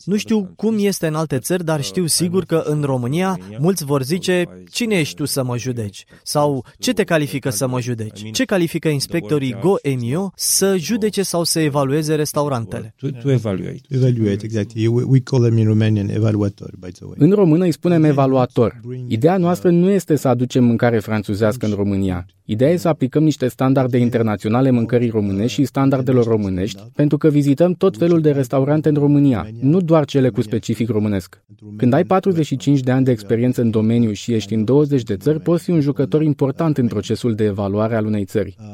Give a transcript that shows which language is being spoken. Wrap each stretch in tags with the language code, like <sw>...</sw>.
<ro>Nu știu cum este în alte țări, dar știu sigur că în România mulți vor zice, cine ești tu să mă judeci? Sau ce te califică să mă judeci? Ce califică inspectorii Goemio să judece sau să evalueze restaurantele?</ro> <en>To evaluate, exact. We call them in Romanian evaluator, by the way.</en> <ro>În română îi spunem evaluator. Ideea noastră nu este să aducem mâncare franțuzească în România. Ideea este să aplicăm niște standarde internaționale mâncării românești și standardelor românești, pentru că vizităm tot felul de restaurante în România, nu doar cele cu specific românesc. Când ai 45 de ani de experiență în domeniu și ești în 20 de țări, poți fi un jucător important în procesul de evaluare al unei țări.</ro>